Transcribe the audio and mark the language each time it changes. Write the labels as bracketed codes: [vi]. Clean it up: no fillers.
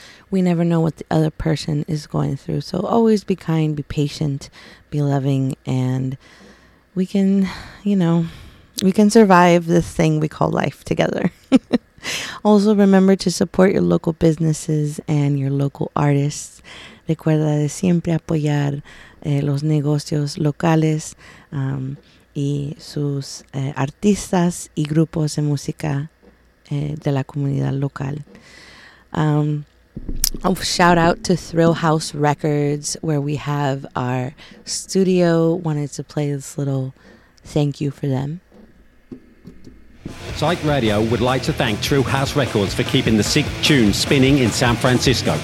[en] We never know what the other person is going through, so always be kind, be patient, be loving, and we can, you know, we can survive this thing we call life together. Also, remember to support your local businesses and your local artists. [es] Recuerda de siempre apoyar los negocios locales y sus artistas y grupos de música de la comunidad local. [en] Shout out to Thrill House Records, where we have our studio. Wanted to play this little thank you for them. Psych Radio would like to thank True House Records for keeping the sick tunes spinning in San Francisco.